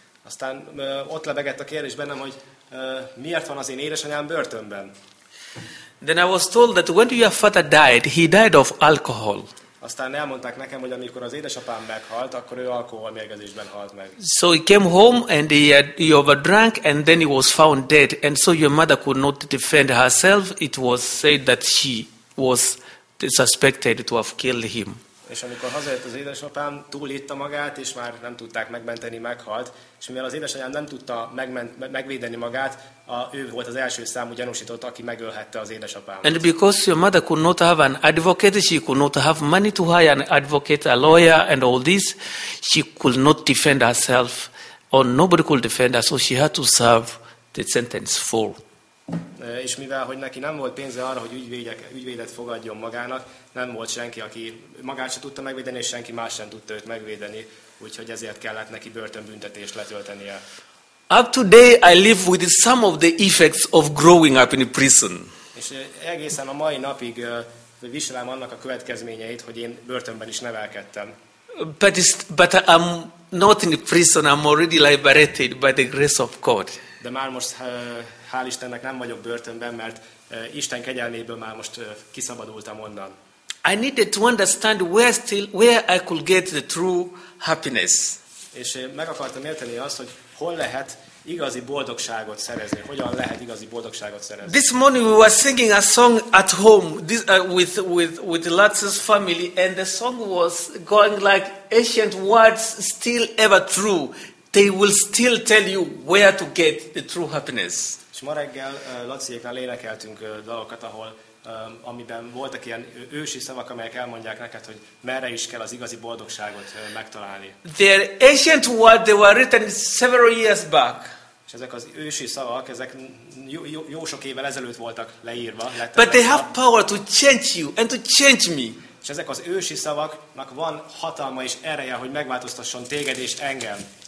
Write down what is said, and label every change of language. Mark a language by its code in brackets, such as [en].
[hu] Aztán ott lebegett a kérdés bennem, hogy miért van az én édesanyám börtönben. [en] Then I was told that when your father died, he died of alcohol. [hu] Aztán elmondták nekem, hogy amikor az édesapám meghalt, akkor ő alkoholmérgezésben halt meg. [en] So he came home and he overdrank, and then he was found dead, and so your mother could not defend herself. It was said that she was suspected to have killed him. [hu] És amikor hazajött az édesapám, túlitta magát, és már nem tudták megmenteni, meghalt. És mivel az édesanyám nem tudta megvédeni magát, ő volt az első számú gyanúsított, aki megölhette az édesapám. [en] And because your mother could not have an advocate, she could not have money to hire an advocate, a lawyer, and all this, she could not defend herself, or nobody could defend her, so she had to serve the sentence full. [hu] És mivel hogy neki nem volt pénze arra, hogy ügyvédet fogadjon magának, nem volt senki, aki magát se tudta megvédeni, és senki más sem tudta őt megvédeni, úgyhogy ezért kellett neki börtönbüntetést letöltenie. [en] Up today I live with some of the effects of growing up in prison. [hu] És egészen a mai napig viselem annak a következményeit, hogy én börtönben is nevelkedtem. [en] But I'm not in prison, I'm already liberated by the grace of God. [hu] De már most hál' Istennek nem vagyok börtönben, mert Isten kegyelméből már most kiszabadultam onnan. [en] I needed to understand where I could get the true happiness. [hu] És meg akartam érteni azt, hogy hol lehet igazi boldogságot szerezni, hogyan lehet igazi boldogságot szerezni. [en] This morning we were singing a song at home with Lutz's family, and the song was going like ancient words still ever true. They will still tell you where to get the true happiness. [hu] És ma reggel Laciéknál énekeltünk dalokat, ahol amiben voltak ilyen ősi szavak, amelyek elmondják neked, hogy merre is kell az igazi boldogságot megtalálni. [en] Their ancient words, they were written several years back. [hu] És ezek az ősi szavak, ezek jó sok évvel ezelőtt voltak leírva. [en] But they have power to change you and to change me. [hu] És ezek az ősi szavaknak van hatalma és ereje, hogy megváltoztasson téged és engem.